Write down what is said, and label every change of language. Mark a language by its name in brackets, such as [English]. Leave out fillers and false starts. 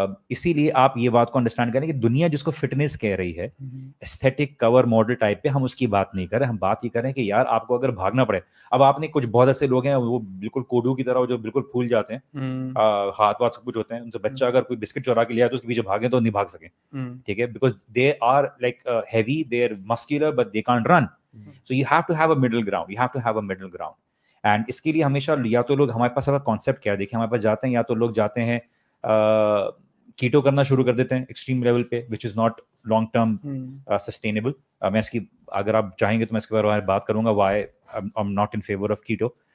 [Urdu] اسی لیے آپ یہ بات کو انڈرسٹینڈ کریں کہ دنیا جس کو فٹنس کہہ رہی ہے استھیٹک کور ماڈل ٹائپ پہ, ہم اس کی بات نہیں کر رہے, ہم بات یہ کر رہے ہیں کہ یار آپ کو اگر بھاگنا پڑے, اب آپ نے کچھ بہت ایسے لوگ ہیں وہ بالکل کوڈو کی طرح جو بالکل پھول جاتے ہیں, ہاتھ واتھ سب کچھ ہوتے ہیں ان سے, بچہ اگر کوئی بسکٹ چورا کے لیا تو اس کے پیچھے بھاگیں تو نہیں بھاگ سکیں, ٹھیک ہے, [English] Because they are like heavy, they are muscular but they can't run. So you have to have a middle ground. [Urdu] And اس کے لیے ہمیشہ یا تو لوگ ہمارے پاس کانسیپٹ کیا دیکھیں, ہمارے پاس جاتے ہیں یا تو لوگ جاتے ہیں کیٹو کرنا شروع کر دیتے ہیں ایکسٹریم لیول پہ, [English] Which is not long term sustainable. [Urdu] میں اس کی اگر آپ چاہیں گے تو میں اس کے بارے میں بات کروں گا [English] Why I am not in favour of keto.